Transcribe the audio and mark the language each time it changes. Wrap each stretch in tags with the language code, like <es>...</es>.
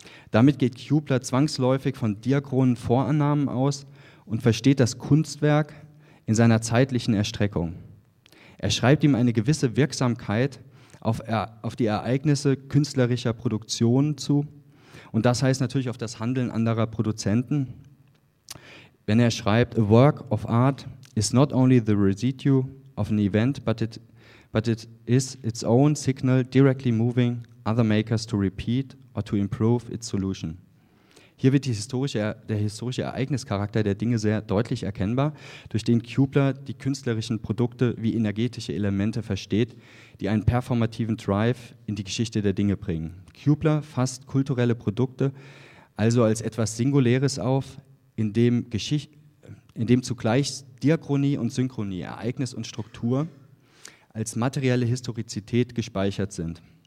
<de>Damit geht Kübler zwangsläufig von diachronen Vorannahmen aus und versteht das Kunstwerk in seiner zeitlichen Erstreckung. Er schreibt ihm eine gewisse Wirksamkeit auf die Ereignisse künstlerischer Produktion zu, und das heißt natürlich auf das Handeln anderer Produzenten. Wenn er schreibt,</de> <en>a work of art is not only the residue of an event, but it is its own signal directly moving other makers to repeat or to improve its solution.</en> <de>Hier wird der historische Ereignischarakter der Dinge sehr deutlich erkennbar, durch den Kübler die künstlerischen Produkte wie energetische Elemente versteht, die einen performativen Drive in die Geschichte der Dinge bringen. Kübler fasst kulturelle Produkte also als etwas Singuläres auf, in dem zugleich Diachronie und Synchronie, Ereignis und Struktur als materielle Historizität gespeichert sind.</de>